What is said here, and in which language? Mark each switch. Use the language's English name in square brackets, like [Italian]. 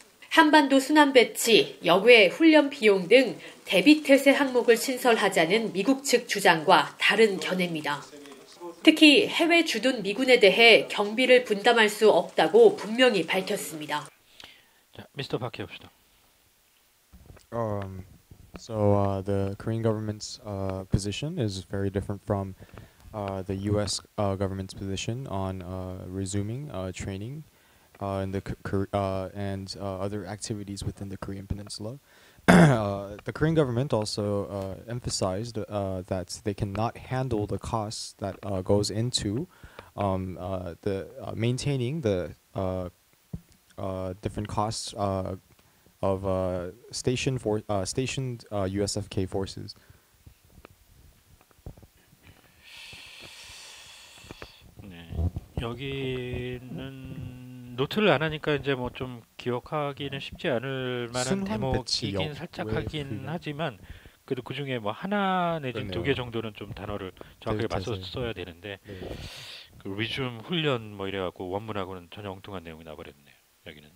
[Korean] 한반도 순환 배치, 여외 훈련 비용 등 대비 태세 항목을 신설하자는 미국 측 주장과 다른 견해입니다. 특히 해외 주둔 미군에 대해 경비를 분담할 수 없다고 분명히 밝혔습니다. 자, 미스터 박 해봅시다. [English] The Korean government's position is very different from the U.S. Government's position on resuming training. Other activities within the Korean Peninsula. The Korean government also emphasized that they cannot handle the costs that goes into maintaining the different costs of stationed USFK forces. [Korean] 네, 여기는 노트를 안 하니까 이제 뭐 좀 기억하기는 쉽지 않을 만한 대목이긴 살짝 하긴 하지만 그래도 그 중에 뭐 하나 내지는 두 개 정도는 좀 단어를 정확하게 맞춰 써야 되는데 그 리줌 훈련 뭐 이래갖고 원문하고는 전혀 엉뚱한 내용이 나버렸네요 여기는